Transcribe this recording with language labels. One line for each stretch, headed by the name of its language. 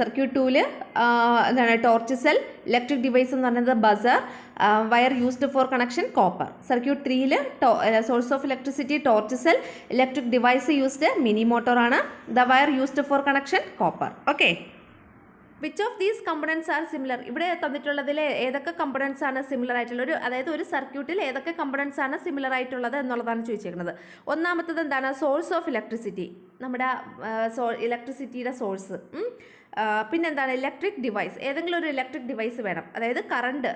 Malayalam: Circuit ടൂല് എന്താണ് torch cell, electric device എന്ന് പറയുന്നത് buzzer, wire used for connection copper. Circuit ത്രീയിൽ source of electricity torch cell, electric device used mini motor ആണ്.
English: The wire used for connection copper. Okay, which of these components are similar?
Malayalam: ഇവിടെ തന്നിട്ടുള്ളതിലെ ഏതൊക്കെ components ആണ് similar ആയിട്ടുള്ളത്, അതായത് ഒരു സർക്യൂട്ടിൽ ഏതൊക്കെ കമ്പണൻസ് ആണ് സിമിലർ ആയിട്ടുള്ളത് എന്നുള്ളതാണ് ചോദിച്ചിരിക്കുന്നത്. ഒന്നാമത്തത് എന്താണ്? സോഴ്സ് ഓഫ് ഇലക്ട്രിസിറ്റി, നമ്മുടെ ഇലക്ട്രിസിറ്റിയുടെ സോഴ്സ്. പിന്നെന്താണ്? ഇലക്ട്രിക് ഡിവൈസ്, ഏതെങ്കിലും ഒരു ഇലക്ട്രിക് ഡിവൈസ് വേണം, അതായത് കറണ്ട്.